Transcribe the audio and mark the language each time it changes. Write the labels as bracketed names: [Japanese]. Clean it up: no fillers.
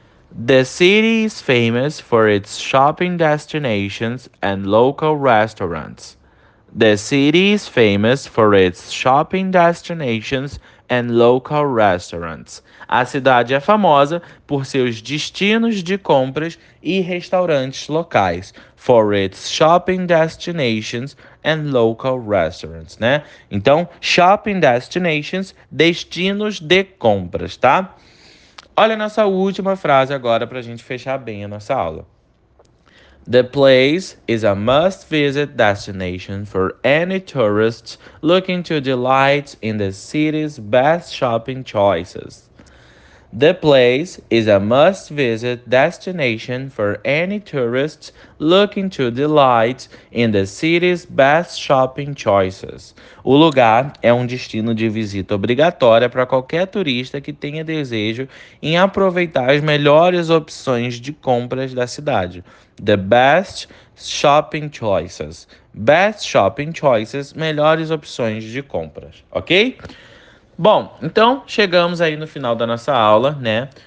[English] The city is famous for its shopping destinations and local restaurants. The city is famous for its shopping destinations and local restaurants. [Portuguese] A cidade é famosa por seus destinos de compras e restaurantes locais. [English] For its shopping destinations and local restaurants, [Portuguese] né? Então, shopping destinations, destinos de compras, tá? Olha a nossa última frase agora para a gente fechar bem a nossa aula. [English] The place is a must-visit destination for any tourist looking to delight in the city's best shopping choices. The place is a must-visit destination for any tourist looking to delight in the city's best shopping choices. [Portuguese] O lugar é um destino de visita obrigatória para qualquer turista que tenha desejo em aproveitar as melhores opções de compras da cidade. [English] The best shopping choices. [Portuguese] Best shopping choices, melhores opções de compras, ok? Bom, então chegamos aí no final da nossa aula, né?